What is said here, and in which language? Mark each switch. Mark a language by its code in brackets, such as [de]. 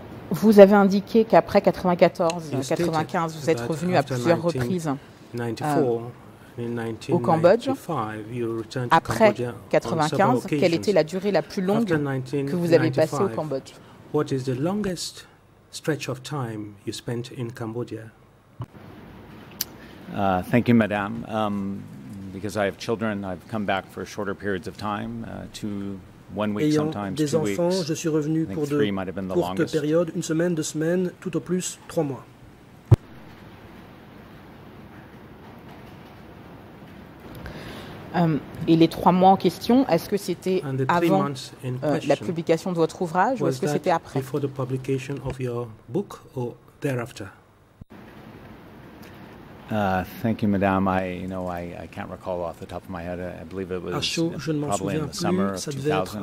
[fr] Vous avez indiqué qu'après 1994-1995, vous êtes revenu à plusieurs reprises au Cambodge. Après 1995, quelle était la durée la plus longue que vous avez passée au Cambodge? [en] What is the longest stretch of time you spent in Cambodia? Thank you, madame. Because I have children, I've come back for shorter periods of time, [fr] Ayant des enfants, je suis revenu pour de courtes périodes, une semaine, deux semaines, tout au plus, trois mois. Et les trois mois en question, est-ce que c'était avant la publication de votre ouvrage ou est-ce que c'était après? [en] Before the publication of your book or thereafter? Thank you, madame. I can't recall off the top of my head. I believe it was probably in the summer of 2000.